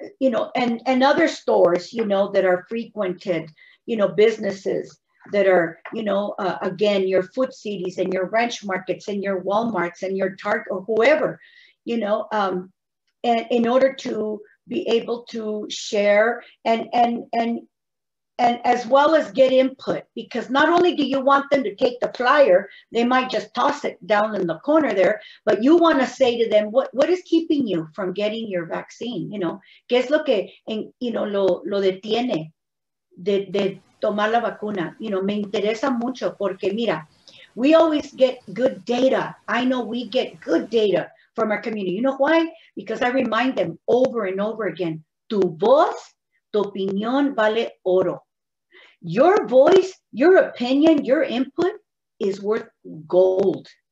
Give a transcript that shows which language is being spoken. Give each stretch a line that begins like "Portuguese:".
English: know, and other stores, you know, that are frequented, you know, businesses that are, you know, again, your food cities and your ranch markets and your Walmarts and your Target or whoever, you know, and in order to be able to share and as well as get input, because not only do you want them to take the flyer, they might just toss it down in the corner there, but you want to say to them, what is keeping you from getting your vaccine? You know,
Spanish: ¿qué es lo que, en,
English: you know,
Spanish: lo detiene de tomar la vacuna?
English: You know,
Spanish: me interesa mucho porque mira,
English: we always get good data. I know we get good data from our community. You know why? Because I remind them over and over again,
Spanish: tu voz, tu opinión vale oro.
English: Your voice, your opinion, your input is worth gold.